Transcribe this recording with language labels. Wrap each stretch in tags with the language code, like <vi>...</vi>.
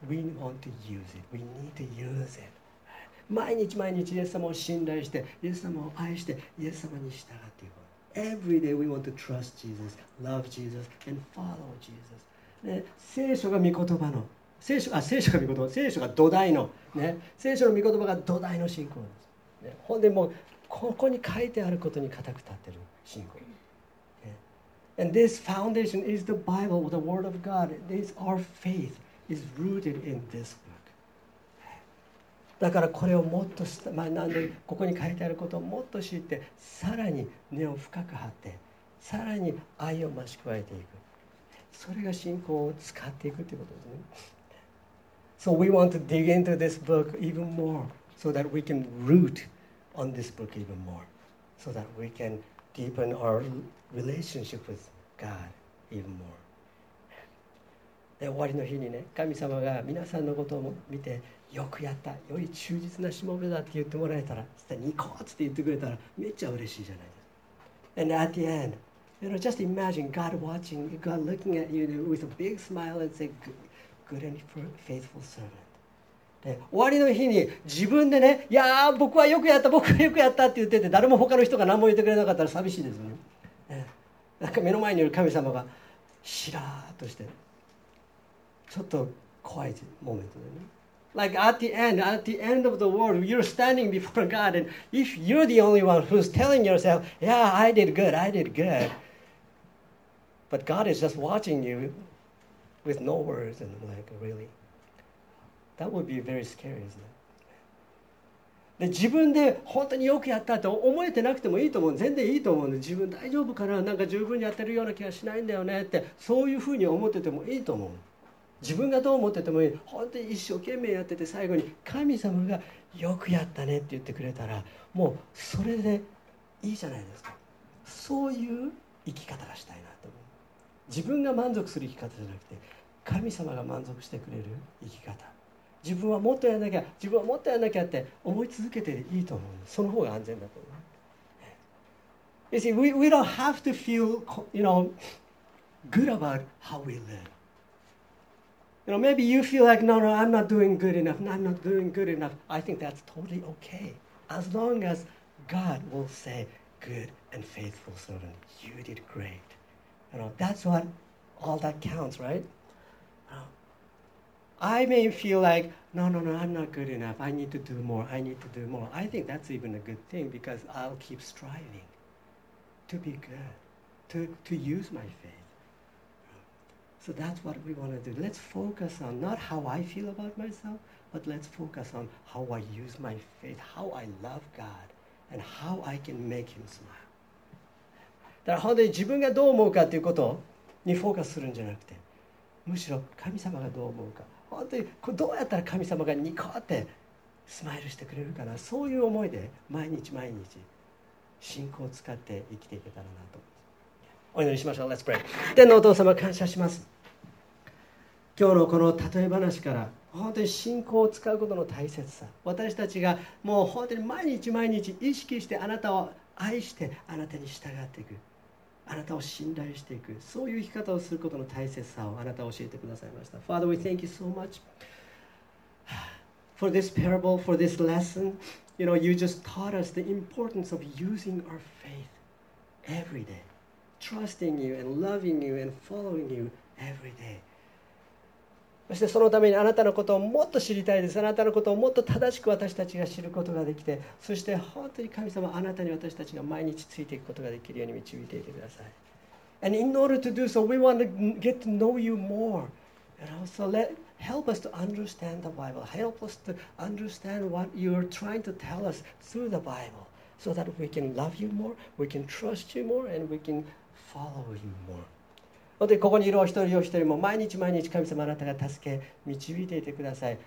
<en>We want to use it. We need to use it.</en> <ja>毎日毎日イエス様を信頼して、イエス様を愛して、イエス様に従っていく。</ja> <en>Every day we want to trust Jesus, love Jesus, and follow Jesus.</en> <ja>ね、聖書が御言葉の、聖書が御言葉、聖書が土台の、ね、聖書の御言葉が土台の信仰です。ね、ほんでもうここに書いてあることに固く立ってる信仰。</ja> <en>And this foundation is the Bible, the Word of God. This, our faith is rooted in this book.</en> <ja>だからこれをもっと、まあ、なんでここに書いてあることをもっと知って、さらに根を深く張って、さらに愛を増し加えていく。それが信仰を使っていくということですね。</ja> <en>So we want to dig into this book even more, so that we can root on this book even more, so that we can deepen our relationship with God even more.</en> <ja>で、終わりの日にね、神様が皆さんのことを見て、よくやった、より忠実なしもべだって言ってもらえたら、そしたら行こうって言ってくれたら、めっちゃ嬉しいじゃないですか。</ja> <en>And at the end, you know, just imagine God watching, God looking at you with a big smile and say, good and faithful servant.</en> <ja>で終わりの日に自分でね、いやー僕はよくやった、僕はよくやったって言ってて、誰も他の人が何も言ってくれなかったら寂しいですよね。なんか目の前にいる神様がしらーっとして、ちょっと怖いモメントでね。</ja> <en>Like at the end of the world, you're standing before God, and if you're the only one who's telling yourself, yeah, I did good, I did good, but God is just watching you with no words and like really. That would be very scary, isn't it?</en> <ja>で自分で本当によくやったと思えてなくてもいいと思う、全然いいと思うんで、自分大丈夫かな、なんか十分にやってるような気がしないんだよねって、そういうふうに思っててもいいと思う、自分がどう思っててもいい、本当に一生懸命やってて最後に神様がよくやったねって言ってくれたら、もうそれでいいじゃないですか。そういう生き方がしたいなと思う。自分が満足する生き方じゃなくて、神様が満足してくれる生き方、自分はもっとやらなきゃ、自分はもっとやらなきゃって思い続けていいと思う。その方が安全だと思う。</ja> <en>You see, we don't have to feel, you know, good about how we live. You know, maybe you feel like, no, I'm not doing good enough, I think that's totally okay. As long as God will say, good and faithful servant, you did great. You know, that's what all that counts, right? I may feel like, no, I'm not good enough. I need to do more. I think that's even a good thing because I'll keep striving to be good, to use my faith. So that's what we want to do. Let's focus on not how I feel about myself, but let's focus on how I use my faith, how I love God, and how I can make Him smile.</en> <ja>だから本当に自分がどう思うかということにフォーカスするんじゃなくて、むしろ神様がどう思うか、本当にどうやったら神様がニコってスマイルしてくれるかな、そういう思いで毎日毎日信仰を使って生きていけたらなと。お祈りしましょう。</ja> <en>Let's pray。</en> <ja>天のお父様、感謝します。今日のこの例え話から本当に信仰を使うことの大切さ、私たちがもう本当に毎日毎日意識してあなたを愛してあなたに従っていく、あなたを信頼していく、そういう生き方をすることの大切さをあなたは教えてくださいました。</ja> <en>Father, we thank you so much for this parable, for this lesson. You know, you just taught us the importance of using our faith every day, trusting you and loving you and following you every day.</en> <ja>そしてそのためにあなたのことをもっと知りたいです。あなたのことをもっと正しく私たちが知ることができて、そして本当に神様、あなたに私たちが毎日ついていくことができるように導いていてください。</ja> <en>And in order to do so, we want to get to know you more. You know? So let, help us to understand the Bible. Help us to understand what you're trying to tell us through the Bible. So that we can love you more, we can trust you more, and we can follow you more.</en> <ja>本当にここにいるお一人お一人も毎日毎日神様、あなたが助け導いていてください。</ja>